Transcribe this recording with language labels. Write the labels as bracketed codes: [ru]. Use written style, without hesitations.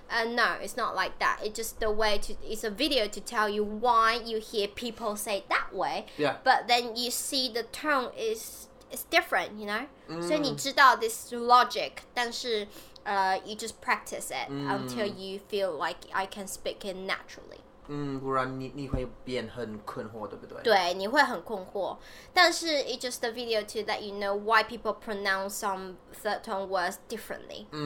[en] No, it's not like that. It's just the way to. It's a video to tell you why you hear people say it that way. Yeah. But then you see the tone is different. You know. So you know this logic, but you just practice it until you feel like I can speak it naturally. [zh] 不然你会变很困惑，对不对？对，你会很困惑。但是 [en] it's just a video to let you know why people pronounce some third tone words differently.